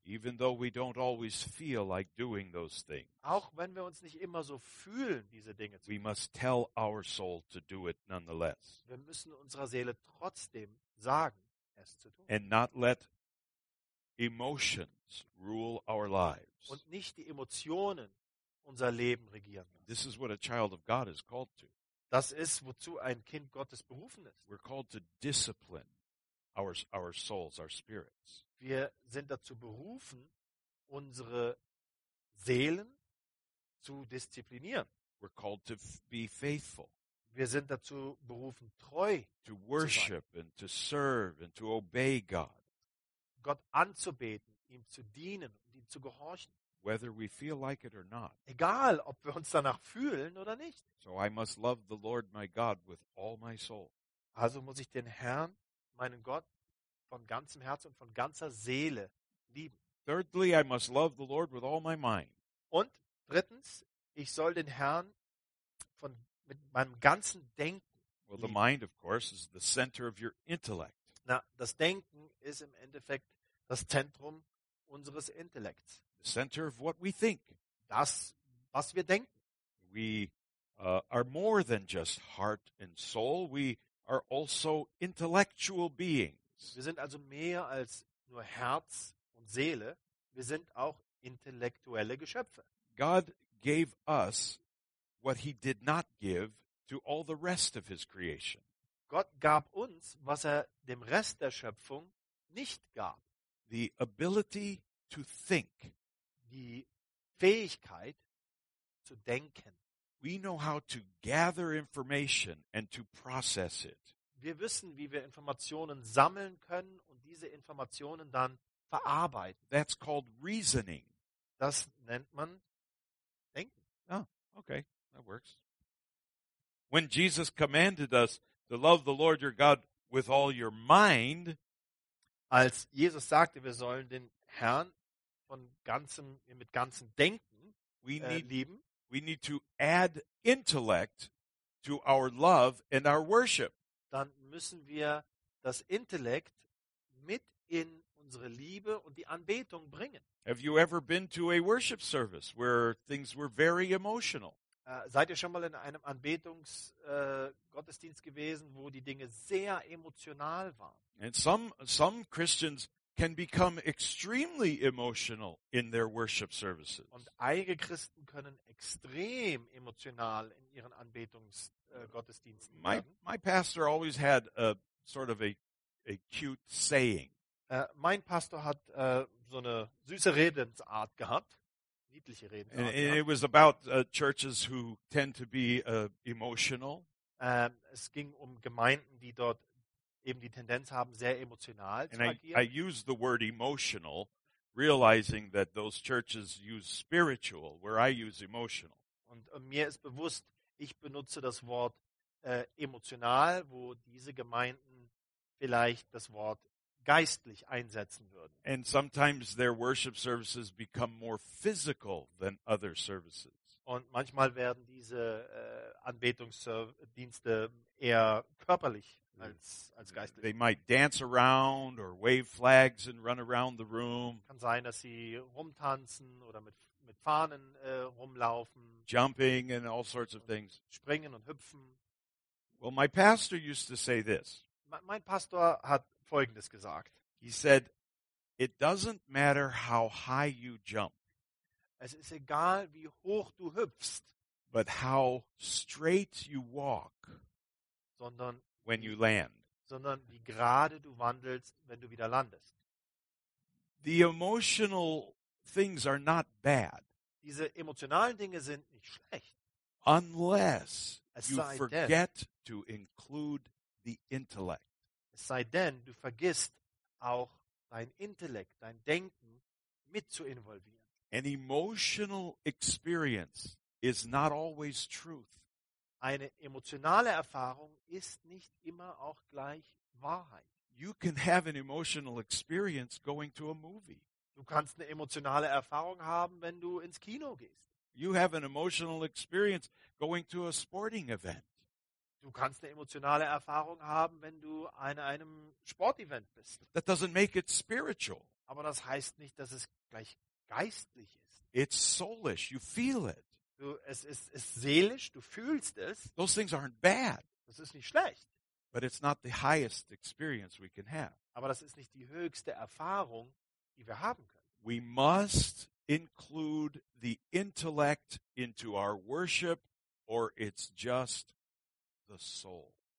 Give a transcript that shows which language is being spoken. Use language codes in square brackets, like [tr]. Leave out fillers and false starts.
[en] Even though we don't always feel like doing those things. [de] Auch wenn wir uns nicht immer so fühlen, diese Dinge zu tun. [en] We must tell our soul to do it nonetheless. [de] Wir müssen unserer Seele trotzdem sagen, es zu tun. [en] And not let emotions rule our lives. [de] Und nicht die Emotionen unser Leben regieren. [en] This is what a child of God is called to. [de] Das ist, wozu ein Kind Gottes berufen ist. [en] We're called to discipline our souls, our spirits. [de] Wir sind dazu berufen, unsere Seelen zu disziplinieren. [en] We're called to be faithful. [de] Wir sind dazu berufen, treu zu sein. [en] To worship and to serve and to obey God. [de] Gott anzubeten, ihm zu dienen und ihm zu gehorchen. [en] Whether we feel like it or not. [de] Egal, ob wir uns danach fühlen oder nicht. [en] So I must love the Lord my God with all my soul. [de] Also muss ich den Herrn, meinen Gott, von ganzem Herzen und von ganzer Seele lieben. [en] Thirdly, I must love the Lord with all my mind. [de] Und drittens, ich soll den Herrn mit meinem ganzen Denken lieben. [en] Well, the mind, of course, is the center of your intellect. [de] Na, das Denken ist im Endeffekt das Zentrum unseres Intellekts. [en] Center of what we think. [de] Das, was wir denken. [en] We are more than just heart and soul. We are also intellectual beings. [de] Wir sind also mehr als nur Herz und Seele. Wir sind auch intellektuelle Geschöpfe. [en] God gave us what he did not give to all the rest of his creation. [de] Gott gab uns, was er dem Rest der Schöpfung nicht gab. [en] The ability to think. [de] Die Fähigkeit zu denken. [en] We know how to gather information and to process it. [de] Wir wissen, wie wir Informationen sammeln können und diese Informationen dann verarbeiten. [en] That's called reasoning. [de] Das nennt man denken. [en] Ah, okay, that works. When Jesus commanded us to love the Lord your God with all your mind, [de] als Jesus sagte, wir sollen den Herrn von ganzem, mit ganzem Denken lieben. [en] We need to add intellect to our love and our worship. [de] Dann müssen wir das Intellekt mit in unsere Liebe und die Anbetung bringen. [en] Have you ever been to a worship service where things were very emotional? [de] Seid ihr schon mal in einem Anbetungsgottesdienst gewesen, wo die Dinge sehr emotional waren? [en] And some Christians can become extremely emotional in their worship services. [de] Und einige Christen können extrem emotional in ihren Anbetungsgottesdiensten werden. [en] My pastor always had a sort of a cute saying. [de] Mein Pastor hat so eine süße Redensart gehabt, niedliche Redensart. [en] And it was about churches who tend to be emotional. [de] Es ging um Gemeinden, die dort eben die Tendenz haben, sehr emotional zu agieren. [en] I use the word emotional, realizing that those churches use spiritual, where I use emotional. [de] Und mir ist bewusst, ich benutze das Wort emotional, wo diese Gemeinden vielleicht das Wort geistlich einsetzen würden. [en] And sometimes their worship services become more physical than other services. [de] Und manchmal werden diese Anbetungsdienste eher körperlich. Als geistlich. [en] They might dance around or wave flags and run around the room. [de] Kann sein, dass sie rumtanzen oder mit Fahnen rumlaufen. [en] Jumping and all sorts of things. [de] Springen und hüpfen. [en] Well, my pastor used to say this. [de] Mein Pastor hat Folgendes gesagt. [en] He said, "It doesn't matter how high you jump." [de] Es ist egal, wie hoch du hüpfst. [en] But how straight you walk. [de] Sondern [en] when you land, [de] sondern wie gerade du wandelst, wenn du wieder landest. [en] The emotional things are not bad. [de] Diese emotionalen Dinge sind nicht schlecht. [en] Unless you forget to include the intellect. [de] Es sei denn, du vergisst auch dein Intellekt, dein Denken mit zu involvieren. [en] An emotional experience is not always truth. [de] Eine emotionale Erfahrung ist nicht immer auch gleich Wahrheit. [en] You can have an emotional experience going to a movie. [de] Du kannst eine emotionale Erfahrung haben, wenn du ins Kino gehst. [en] You have an emotional experience going to a sporting event. [de] Du kannst eine emotionale Erfahrung haben, wenn du an einem Sportevent bist. [en] That doesn't make it spiritual. [de] Aber das heißt nicht, dass es gleich geistlich ist. [en] It's soulish. You feel it. [de] Es ist seelisch. Du fühlst es. [en] Those things aren't bad. [de] Das ist nicht schlecht. [en] But it's not the highest experience we can have. [de] Aber das ist nicht die höchste Erfahrung, die wir haben können. [en] We must include the intellect into our worship, or it's just the soul.